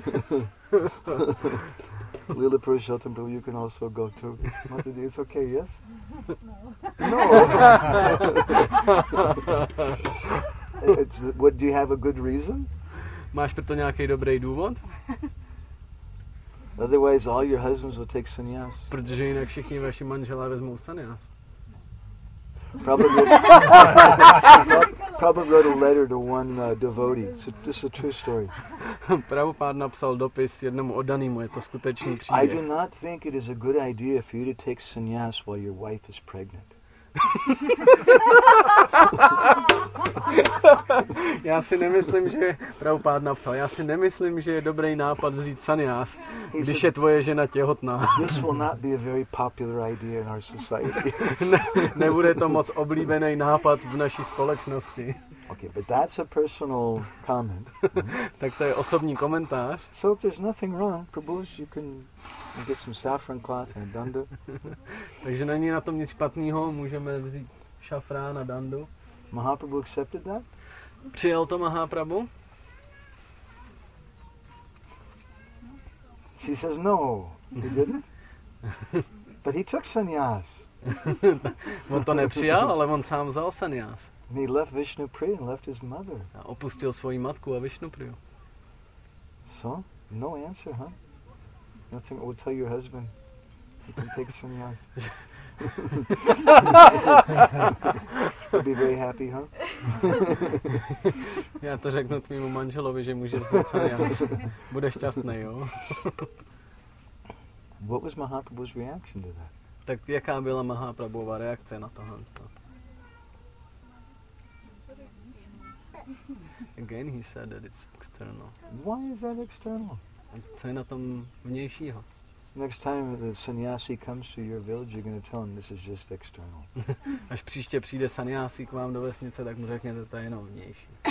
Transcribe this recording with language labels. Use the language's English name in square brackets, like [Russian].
[English] Lila Purushottam Prabhu, you can also go too. Mataji, it's okay, yes? No. No. It's, what, do you have a good reason? [Czech] Máš pro to nějaký dobrý důvod? [English] Otherwise, all your husbands will take sannyas. [Czech] Protože jinak všichni vaši manželé vezmou sannyas. [English] Prabhupada wrote a letter to one devotee. This is a true story. [Czech] Prabhupada napsal dopis jednomu oddanému. Je to skutečný příběh. [English] I do not think it is a good idea for you to take sannyas while your wife is pregnant. [Czech] Já si nemyslím, že je dobrý nápad vzít sannyas, když je tvoje žena těhotná. [English] This will not be a very popular idea in our society. [Czech] Nebude to moc oblíbený nápad v naší společnosti. [English] Okay, but that's a personal comment. [Czech] Tak to je osobní komentář. [English] So if there's nothing wrong, Prabhuji, you can get some saffron cloth and dandu. [Czech] Takže není na tom nic špatného, můžeme vzít šafrán a dandu. [English] Mahaprabhu accepted that? [Czech] Přijel to Mahaprabhu? [English] She says no, he didn't. But he took sannyas. [Czech] On to nepřijal, ale on sám vzal sannyas. [English] And he left Vishnupriya and left his mother. [Czech] A opustil svoji matku a Vishnupriyu. [English] So? No answer, huh? Nothing. We'll tell your husband. He can take sannyas. He'll be very happy, huh? [Czech] Já to řeknu tvému manželovi, že můžeš vzít sannyas. Bude šťastný, jo? [English] What was Mahaprabhu's reaction to that? [Czech] Tak jaká byla Mahaprabhuova reakce na tohle? [English] Again he said that it's external. Why is that external? [Czech] Co je na tom vnějšího? [English] Next time the sannyasi comes to your village, you're going to tell him this is just external. [Czech] Až příště přijde sannyasi k vám do vesnice, tak mu řekněte, to je jenom vnější.